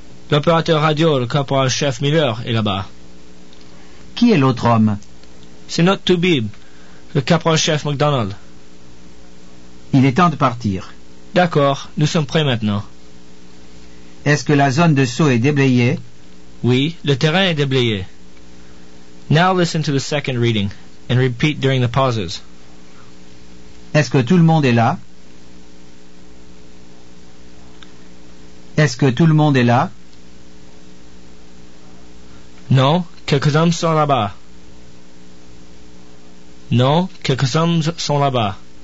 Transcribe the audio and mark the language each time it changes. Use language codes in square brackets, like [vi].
[fr] L'opérateur radio, le caporal-chef Miller, est là-bas. Qui est l'autre homme? C'est notre Toubib, le caporal-chef McDonald. Il est temps de partir. D'accord, nous sommes prêts maintenant. Est-ce que la zone de saut est déblayée? Oui, le terrain est déblayé. [en] Now listen to the second reading and repeat during the pauses. [fr] Est-ce que tout le monde est là? Est-ce que tout le monde est là? Non, quelques hommes sont là-bas. Non, quelques hommes sont là-bas.